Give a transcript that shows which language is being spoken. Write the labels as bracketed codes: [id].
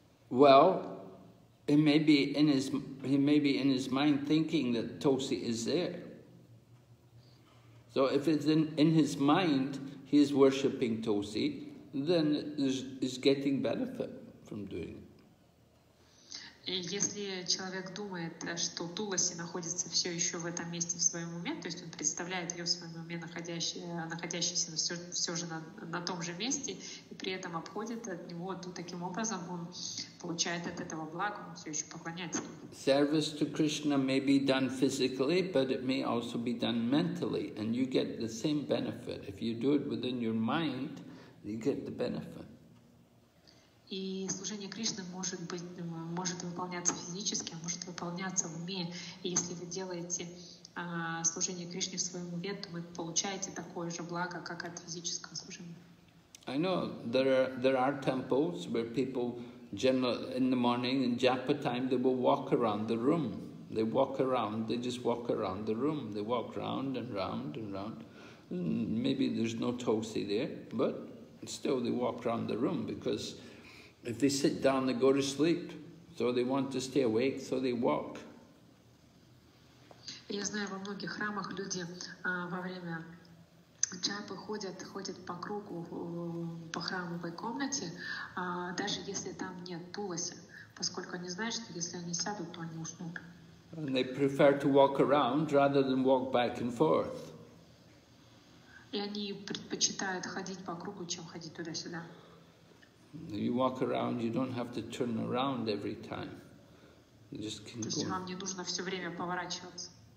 [en] Well, he may be in his mind thinking that Tulasi is there. So if it's in his mind he is worshipping Tulasi, then he's getting benefit from doing it. [ru] Если человек думает, что Туласи находится все еще в этом месте в своем уме, то есть он представляет ее в своем уме, находящейся все же на том же месте, и при этом обходит от него, то таким образом он получает от этого благо, он все еще поклоняется. [en] Service to Krishna may be done physically, but it may also be done mentally, and you get the same benefit. If you do it within your mind, you get the benefit. [ru] И служение Кришне может выполняться физически, а может выполняться в уме. И если вы делаете служение Кришне в своем уме, то вы получаете такое же благо, как от физического служения. [en] I know there are temples where people generally in the morning in Japa time they will walk around the room. They walk around. They just walk around the room. They walk round and round and round. Maybe there's no Tulasi there, but still they walk around the room because if they sit down, they go to sleep. So they want to stay awake, so they walk. [ru] Я знаю, во многих храмах люди во время джапы ходят по кругу по храмовой комнате, даже если там нет Туласи, поскольку они знают, что если они сядут, то они уснут. [en] And they prefer to walk around rather than walk back and forth. [ru] И они предпочитают ходить по кругу, чем ходить туда-сюда. [en] You walk around, you don't have to turn around every time. You just can go. [ru] То есть вам не нужно все время поворачиваться.